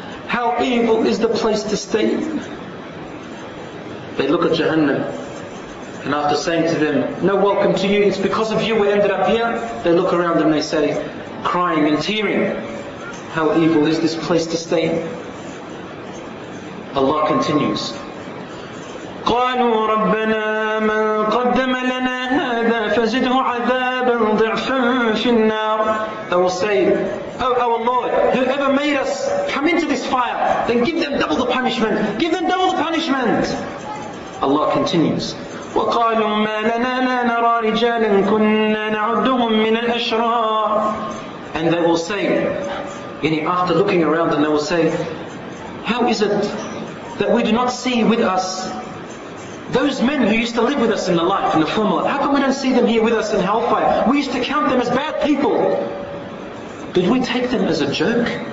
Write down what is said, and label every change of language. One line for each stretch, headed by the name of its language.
English: How evil is the place to stay in? They look at Jahannam, and after saying to them, no welcome to you, it's because of you we ended up here, they look around and they say, crying and tearing, how evil is this place to stay in? Allah continues,
Arabic: قالوا ربنا من قدم لنا هذا فزده عذابا ضعفا في النار.
English: They will say, oh our Lord, whoever made us come into this fire, then give them double the punishment. Give them double the punishment. Allah continues,
Arabic: وقالوا ما لنا لا نرى رجالا كنا نعدهم من الأشرار.
English: And they will say, after looking around, and they will say, how is it that we do not see with us those men who used to live with us in the life, in the former life, how come we don't see them here with us in hellfire? We used to count them as bad people. Did we take them as a joke?